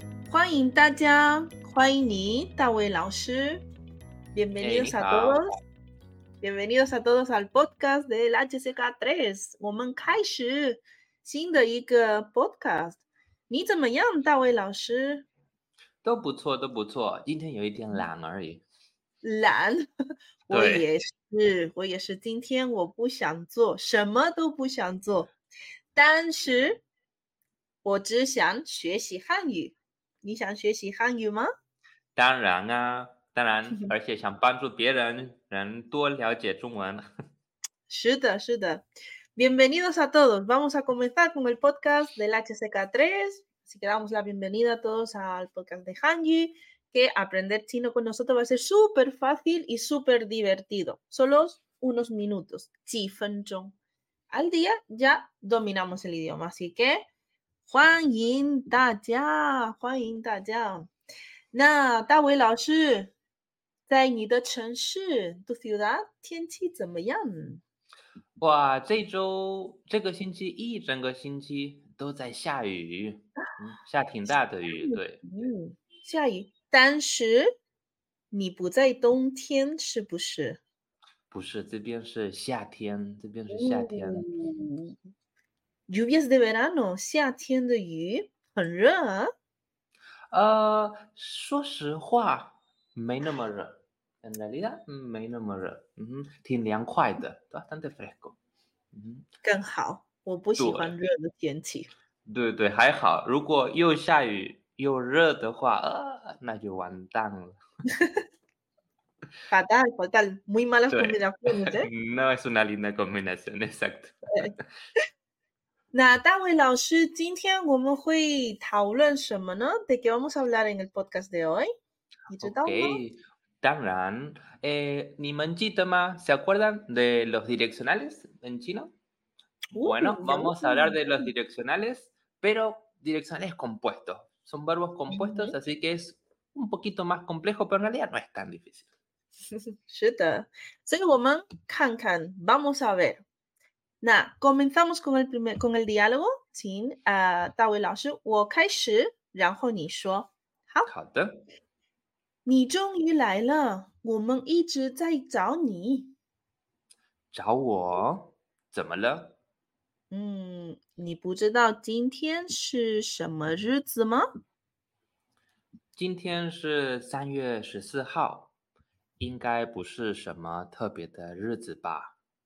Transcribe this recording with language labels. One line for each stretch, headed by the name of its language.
Chinese: 欢迎大家，欢迎你，大卫老师。
Spanish: Bienvenidos a todos. Bienvenidos a todos al podcast del HCK3.
Chinese: 我们开始新的一个 podcast。你怎么样，大卫老师？都不错，都不错。今天有一点懒而已。懒？我也是，我也是。今天我不想做，什么都不想做。但是，我只想学习汉语。你想学习汉语吗？当然啊，当然，而且想帮助别人能多了解中文。是的，是的。
Spanish: Bienvenidos a todos. Vamos a comenzar con el podcast del HCK3. Así que damos la bienvenida a todos al podcast de Hanyu, que aprender chino con nosotros va a ser súper fácil y súper divertido. Solo unos minutos.
Chinese: 几分钟.
Spanish: Al día ya dominamos el idioma. Así que...
Chinese: 欢迎大家，欢迎大家。那大伟老师，在你的城市 ，
Spanish: tu ciudad，
Chinese: 天气怎么样？哇，这周这个星期一整个星期都在下雨，下挺大的雨，对，下雨。但是你不在冬天，是不是？不是，这边是夏天，这边是夏天。
Spanish: Lluvias de verano,
Chinese: 夏天的雨，很热啊。说实话，没那么热。
Spanish: En realidad,
Chinese: 没那么热，挺凉快的，
Spanish: bastante fresco。
Chinese: 更好，我不喜欢热的天气。对对，还好，如果又下雨又热的话，那就完蛋了。
Spanish: Fatal, fatal, muy malas combinaciones. No es una linda combinación, exacto.
Chinese: 那大卫老师，今天我们会讨论什么呢？
Spanish: ¿De qué vamos a hablar en el podcast de hoy?
Chinese: 你知道吗？ Okay, 当然，你们记得吗？
Spanish: ¿Se acuerdan de los direccionales en chino? Bueno, vamos a hablar de los direccionales, pero direccionales compuestos. Son verbos compuestos, así que es un poquito más complejo, pero en realidad no es tan difícil.
Chinese: 是的，所以我们看看，
Spanish: vamos a ver. 那 comenzamos con el primer con el diálogo,
Chinese: 请大卫老师，我开始，然后你说。好。好的。你终于来了，我们一直在找你。找我？怎么了？你不知道今天是什么日子吗？今天是3月14号，应该不是什么特别的日子吧？